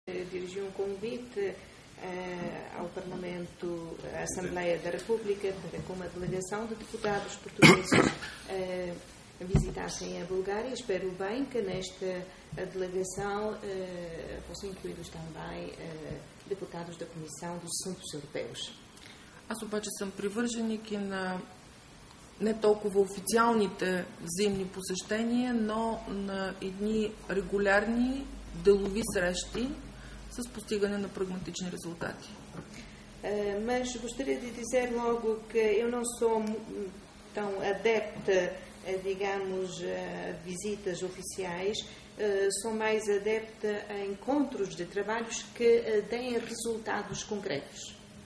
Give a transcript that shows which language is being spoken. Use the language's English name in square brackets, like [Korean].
[Portuguese] Dirigi un convite ao Parlamento, à Assembleia da República, para que uma delegação de deputados portugueses visitassem a Bulgária. Espero bem que nesta delegação fossem incluídos também deputados da Comissão dos Assuntos Europeus. [Bulgarian] Аз обаче съм привърженик и на не толкова официалните взаимни посещения, но на едни регулярни делови срещи с постигане на прагматични резултати. [Portuguese] Mas gostaria de dizer logo que eu não sou tão adepta, digamos, a visitas oficiais, sou mais adepta a encontros de trabalhos que deem resultados concretos.